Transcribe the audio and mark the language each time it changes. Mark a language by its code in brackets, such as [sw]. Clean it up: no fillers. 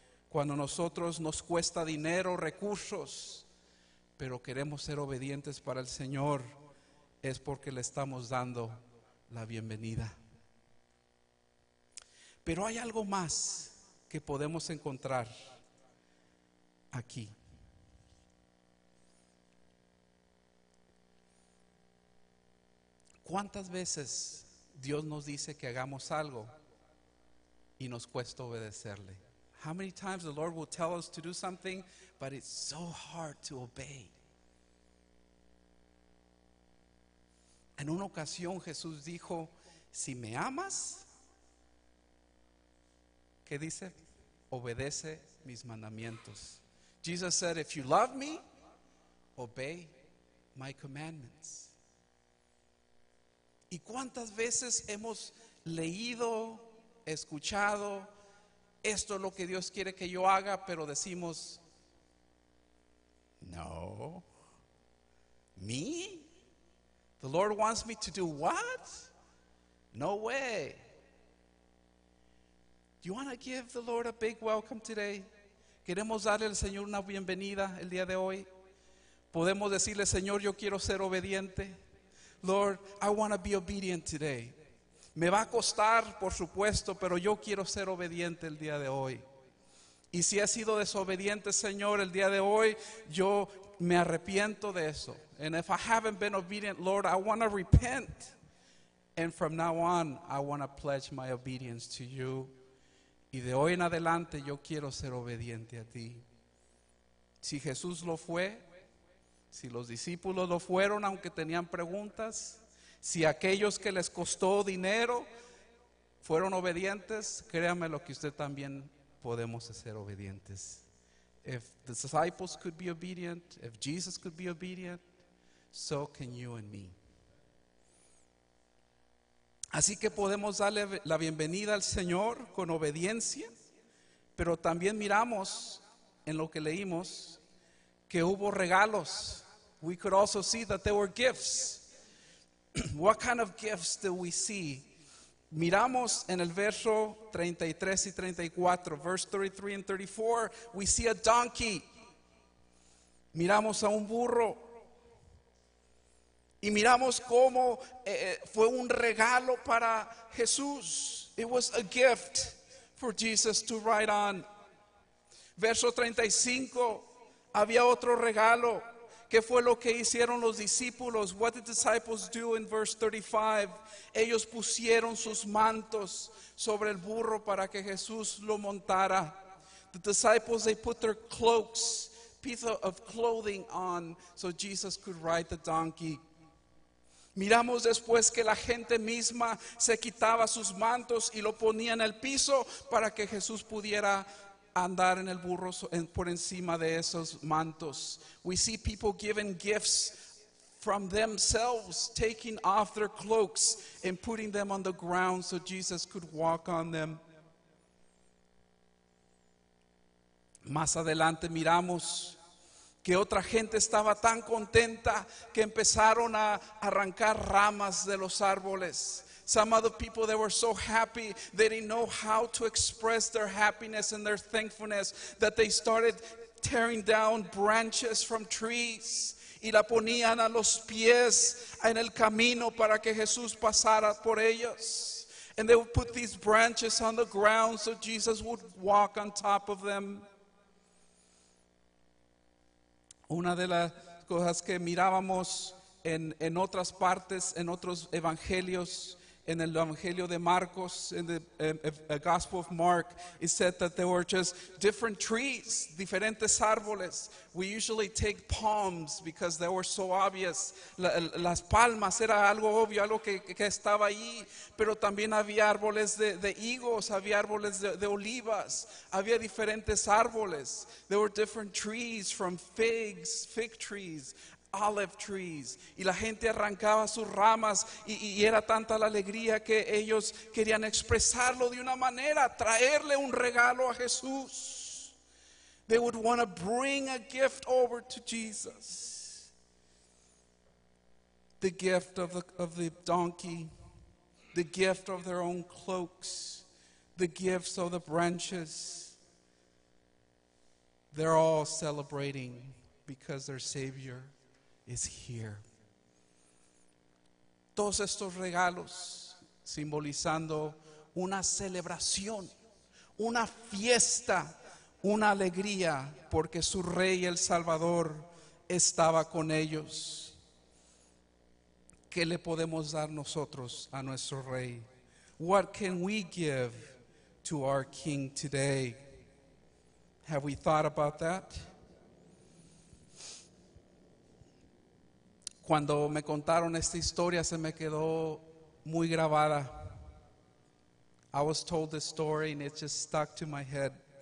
[es] Cuando nosotros nos cuesta dinero, recursos, pero queremos ser obedientes para el Señor, es porque le estamos dando la bienvenida. Pero hay algo más que podemos encontrar aquí. ¿Cuántas veces Dios nos dice que hagamos algo y nos cuesta obedecerle? [en] How many times the Lord will tell us to do something, but it's so hard to obey? [es] En una ocasión Jesús dijo, si me amas, ¿qué dice? Obedece mis mandamientos. [en] Jesus said, if you love me, obey my commandments. [es] ¿Y cuántas veces hemos leído, escuchado, esto es lo que Dios quiere que yo haga, pero decimos, no, me? [en] The Lord wants me to do what? No way. Do you want to give the Lord a big welcome today? [es] ¿Queremos darle al Señor una bienvenida el día de hoy? ¿Podemos decirle, Señor, yo quiero ser obediente? [en] Lord, I want to be obedient today. [es] Me va a costar, por supuesto, pero yo quiero ser obediente el día de hoy. Y si he sido desobediente, Señor, el día de hoy, yo me arrepiento de eso. [en] And if I haven't been obedient, Lord, I want to repent. And from now on, I want to pledge my obedience to you. [es] Y de hoy en adelante, yo quiero ser obediente a ti. Si Jesús lo fue, si los discípulos lo fueron, aunque tenían preguntas, si aquellos que les costó dinero fueron obedientes, créanme lo que usted también podemos ser obedientes. [en] If the disciples could be obedient, if Jesus could be obedient, so can you and me. [es] Así que podemos darle la bienvenida al Señor con obediencia, pero también miramos en lo que leímos que hubo regalos. [en] We could also see that there were gifts. What kind of gifts do we see? [es] Miramos en el verso 33 y 34, [en] verse 33 and 34, we see a donkey. [es] Miramos a un burro. Y miramos cómo fue un regalo para Jesús. [en] It was a gift for Jesus to ride on. [es] Verso 35, había otro regalo. ¿Qué fue lo que hicieron los discípulos? [en] What did disciples do in verse 35? [es] Ellos pusieron sus mantos sobre el burro para que Jesús lo montara. [en] The disciples, they put their cloaks, piece of clothing on so Jesus could ride the donkey. [es] Miramos después que la gente misma se quitaba sus mantos y lo ponía en el piso para que Jesús pudiera andar en el burro por encima de esos mantos. [en] We see people giving gifts from themselves, taking off their cloaks and putting them on the ground so Jesus could walk on them. [es] Más adelante miramos que otra gente estaba tan contenta que empezaron a arrancar ramas de los árboles. [en] Some other people, they were so happy, they didn't know how to express their happiness and their thankfulness, that they started tearing down branches from trees [es] y la ponían a los pies en el camino para que Jesús pasara por ellos. [en] And they would put these branches on the ground so Jesus would walk on top of them. [es] Una de las cosas que mirábamos en otras partes, en otros evangelios, en el evangelio de Marcos, en [en] the Gospel of Mark, it said that there were just different trees, [es] diferentes árboles. [en] We usually take palms because they were so obvious. [es] Las palmas era algo obvio, algo que estaba ahí. Pero también había árboles de higos, había árboles de olivas, había diferentes árboles. [en] There were different trees, from figs, fig trees, olive trees, [es] y la gente arrancaba sus ramas y era tanta la alegría que ellos querían expresarlo de una manera, traerle un regalo a Jesús. [en] They would want to bring a gift over to Jesus. The gift of the donkey, the gift of their own cloaks, the gifts of the branches. They're all celebrating because their Savior is here. [es] Todos estos regalos simbolizando una celebración, una fiesta, una alegría, porque su Rey, el Salvador, estaba con ellos. ¿Qué le podemos dar nosotros a nuestro Rey? [en] What can we give to our King today? Have we thought about that? [es] Cuando me contaron esta historia, se me quedó muy grabada. [en] I was told this story and it just stuck to my head.